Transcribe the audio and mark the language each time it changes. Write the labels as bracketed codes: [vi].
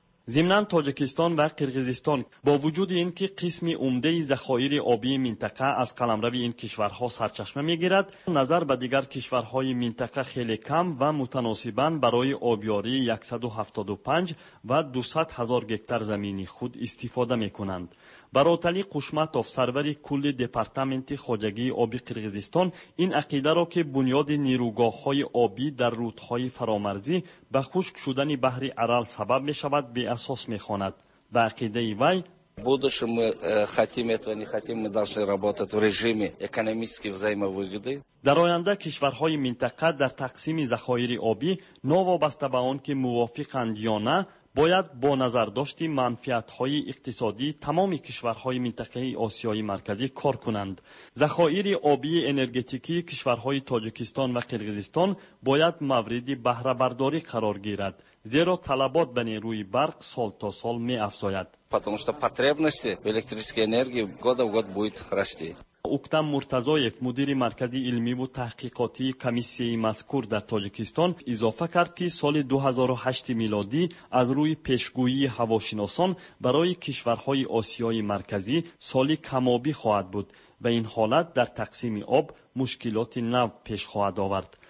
[tg] ضمناً تاجیکستان و قرقیزستان با وجود این که قسم عمده ذخایر آبی منطقه از قلمرو این کشورها سرچشمه میگیرد، نظر به دیگر کشورهای منطقه خیلی کم و متناسباً برای آبیاری 175 و 200 هزار گکتر زمینی خود استفاده میکنند. براتلی قشمتوف سرور کل دپارتمنت خواجگی آبی قرقیزستان این عقیده را که بنیاد نیروگاه های آبی در رودهای فرامرزی به خشک شدن بحر ارال سبب می شود به اساس می خواند. به عقیده وی: [ru] будущее мы хотим этого не хотим мы должны работать в режиме экономической взаимовыгоды. [tg] Дар оянда кишварҳои минтақа дар тақсими захоири оби новобаста ба он ки мувофиқанд ё на бояд бо назардошти манфиатҳои иқтисодӣ тамоми кишварҳои минтақаи Осиёи марказӣ кор кунанд. Захоири обии энергетикии кишварҳои Тоҷикистон ва Қирғизистон бояд мавриди баҳрабардорӣ қарор гирад, зеро талабот ба нерӯи барқ сол то сол меафзояд. [ru] Потому что потребности в электрической энергии года в год будет расти. [tg] Уктам Муртазоев, мудири маркази илми ва таҳқиқоти комиссияи мазкур дар Тоҷикистон, изофа кард ки соли 2008 милодӣ аз рӯи пешгӯии ҳавошиносон барои кишварҳои Осиёи марказӣ соли камобӣ хоҳад буд ва ин ҳолат дар тақсими об мушкилоти нав пеш хоҳад овард.